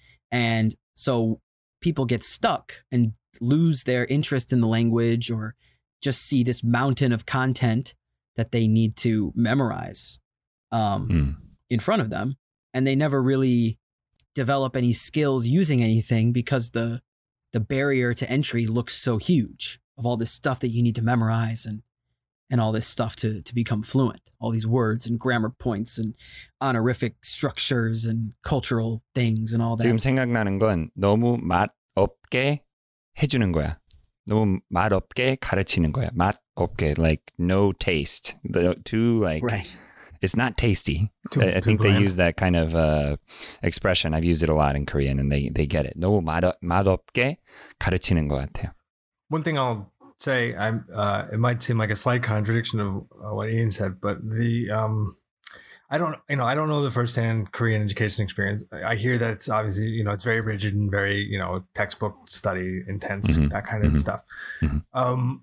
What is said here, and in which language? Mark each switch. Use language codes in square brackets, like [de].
[en] And so people get stuck and lose their interest in the language, or just see this mountain of content that they need to memorize in front of them. And they never really develop any skills using anything, because the the barrier to entry looks so huge of all this stuff that you need to memorize and all this stuff to become fluent, all these words and grammar points and honorific structures and cultural things and all that. [ko] 지금 생각나는 건 너무 맛없게 해주는 거야. 너무 맛없게 가르치는 거야. [en] 맛없게, like no taste. The too, like, right. It's not tasty. I think they use that kind of expression. I've used it a lot in Korean and they get it. [ko] 너무 맛없게 가르치는 것 같아요. [en] One thing I'll say, it might seem like a slight contradiction of what Ian said, but I don't know the firsthand Korean education experience. I hear that it's obviously, you know, it's very rigid and very, you know, textbook study intense, mm-hmm. that kind of mm-hmm. stuff. Mm-hmm.